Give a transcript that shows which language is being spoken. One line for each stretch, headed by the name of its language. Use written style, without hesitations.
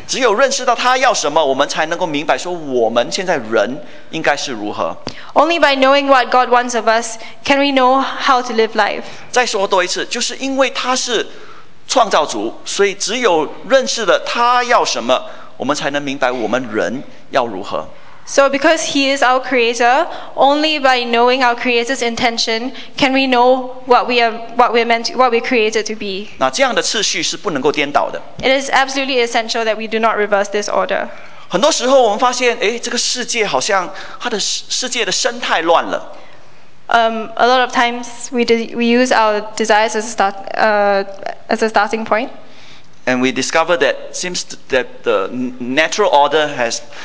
Chinese: 只有认识到他要什么，我们才能够明白说我们现在人应该是如何。
English: Only by knowing what God wants of us can we know how to live life.
Chinese: 再说多一次，就是因为他是创造主，所以只有认识了他要什么，我们才能明白我们人要如何。
English: So because he is our creator, only by knowing our creator's intention can we know what we are created to be.
Chinese: 那这样的次序是不能够颠倒的。
English: It is absolutely essential that we do not reverse this order.
Chinese: 很多时候我们发现，哎，这个世界好像它的世界的生态乱了。
English: A lot of times we use our desires as a starting point. And we discover that seems that the natural order has